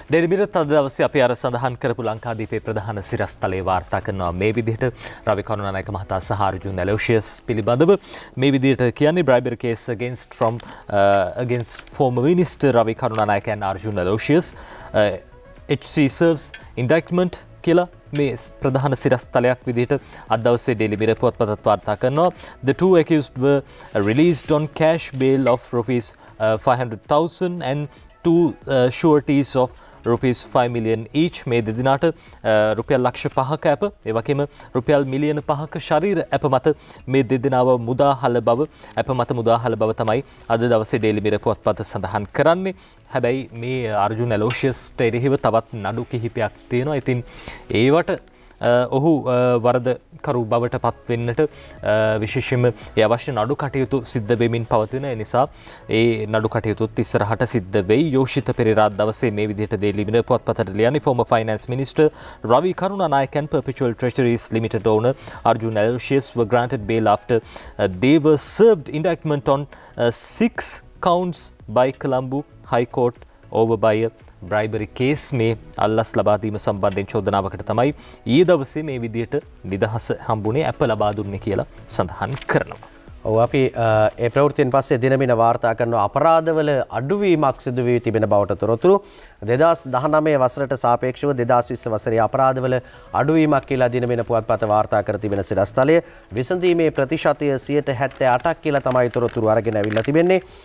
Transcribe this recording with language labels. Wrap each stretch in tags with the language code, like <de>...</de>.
<si>Daily මිර තද දවසේ අපි අර සඳහන් කරපු ලංකාදීපයේ ප්‍රධාන සිරස්තලයේ වාර්තා කරනවා මේ විදිහට රවි කරුණානායක මහතා සහ අර්ජුන් ඇලෝෂියස් පිළිබඳව මේ විදිහට කියන්නේ</si> <en>bribery case against from against former minister Ravi Karunanayake and Arjun Aloysius HC serves indictment</en> <si>කියලා මේ ප්‍රධාන සිරස්තලයක් විදිහට අද දවසේ ඩේලි මිර පුවත්පතත් වාර්තා කරනවා.</si> <en>The two accused were released on cash bail of rupees 500,000 and two sureties of rupees 5 million each.</en> <si>මේ දෙදිනාට රුපියල් ලක්ෂ 5ක අප ඒ වගේම රුපියල් මිලියන 5ක ශරීර අප මත මේ දෙදෙනාව මුදාහල බව අප මත මුදාහල බව තමයි අද දවසේ ඩේලි මිර පුවත්පත සඳහන් කරන්නේ. හැබැයි මේ අර්ජුන ඇලෝෂියස්ට එරෙහිව තවත් නඩු කිහිපයක් තියෙනවා. ඉතින් ඒවට ඔහු වරදකරු බවට පත්වෙන්නට විශේෂයෙන්ම ඒ අවශ්‍ය නඩු කටයුතු සිද්ධ වෙමින් පවතින නිසා ඒ නඩු කටයුතුත් ඉස්සරහට සිද්ධ වෙයි. යෝෂිත පෙරේරා දවසේ මේ විදිහට දේලි මිර පුවත්පතට ලියන්නේ</si> <en>Former finance minister Ravi Karunanayake and perpetual treasuries limited owner Arjuna Aloysius were granted bail after they were served indictment on 6 counts by Colombo High Court over by a bribery case.</en> <si>මේ අල්ලස් ලබා දීම සම්බන්ධයෙන් චෝදනාවකට තමයි ඊයේ දවසේ මේ විදියට නිදහස හම්බුනේ අප ලබා දුන්නේ කියලා සඳහන් කරනවා. අපි ඒ ප්‍රවෘත්තියෙන් පස්සේ දිනමින වාර්තා කරන අපරාධවල අඩුවීමක් සිදු වී තිබෙන බවට තොරතුරු 2019 වසරට සාපේක්ෂව 2020 වසරේ අපරාධවල අඩුවීමක් කියලා දිනමින පුවත්පත වාර්තා කර තිබෙන සිරස්තලය විසඳීමේ ප්‍රතිශතය 78% කියලා තමයි තොරතුරු අරගෙන අවිල්ල තිබෙන්නේ</si>